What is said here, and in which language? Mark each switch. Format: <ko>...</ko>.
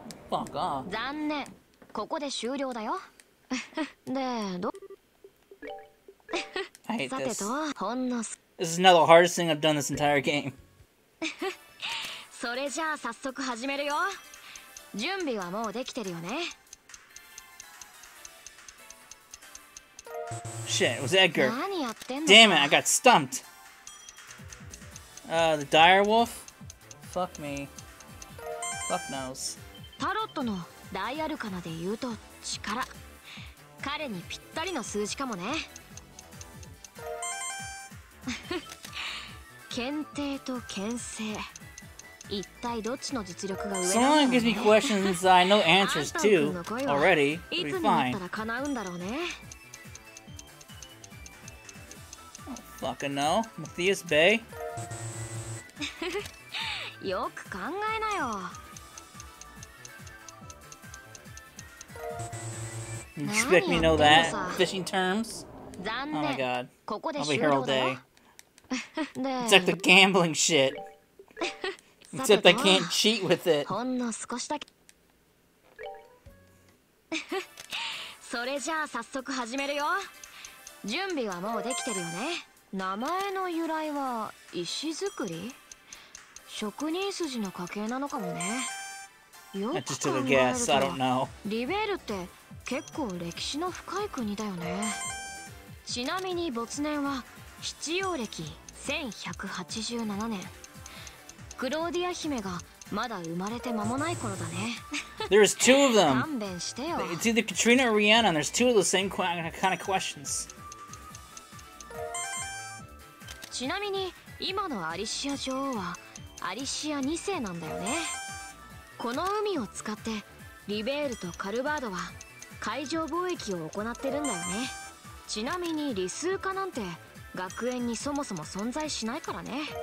<en>Fuck off.</en> <ja>残念。ここで終了だよ。で、ど。</ja> <en>I hate this.</en> <ja>さてと、ほんの。</ja> <en>This is now the hardest thing I've done this entire game.</en> <ja>それじゃあ早速始めるよ。準備はもうできてるよね。</ja> <en>Shit, it was Edgar.</en> <ja>何やってんの?</ja> <en>Damn it, I got stumped. The Direwolf? Fuck me. Fuck knows.</en> <ja>タロットの大アルカナで言うと力。彼にぴったりの数字かもね。検定と牽制。一体どっちの実力が上なのね。</ja> <en>Someone gives me questions I know answers to already.</en> <ja>いつになったら叶うんだろうね。</ja> <en>Fucking no, Matthias Bay.</en> <ja>よく考えなよ。</ja> <en>You expect me to know that fishing terms?</en> <ja>残念。</ja> <en>Oh my god.</en> <ja>ここで終了だよ。</ja> <en>It's like the gambling shit. Except I can't cheat with it.</en> <ja>ほんの少しだけ。それじゃあ早速始めるよ。準備はもうできてるよね。名前の由来は石造り？職人筋の家系なのかもね。よく考えると、リベールって結構歴史の深い国だよね。ちなみに没年は七葉暦1187年。クローディア姫がまだ生まれて間もない頃だね。</ja> <en>There's two of them.</en> <ja>勘弁してよ。</ja> <en>It's either Katrina or Rihanna, and there's two of the same kind of questions.</en> <ja>ちなみに今のアリシア女王はアリシア2世なんだよね。この海を使ってリベールとカルバードは海上貿易を行ってるんだよね。ちなみに理数科なんて学園にそもそも存在しないからね。</ja>